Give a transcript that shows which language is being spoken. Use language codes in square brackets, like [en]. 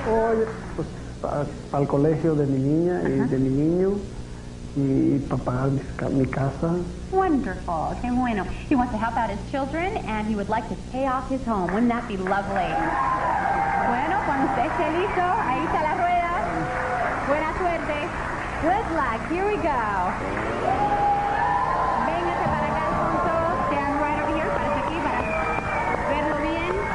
[es] Hoy, pues, para el colegio de mi niña y de mi niño. Y para pagar mi casa. [en] Wonderful. [es] Qué bueno. [en] He wants to help out his children, and he would like to pay off his home. Wouldn't that be lovely? [es] Bueno, cuando estés listo, ahí está la rueda. Buena suerte. [en] Good luck. Here we go. [es] Véngase para acá, [en] Alfonso. Stand right over here. [es] Párese aquí para verlo bien.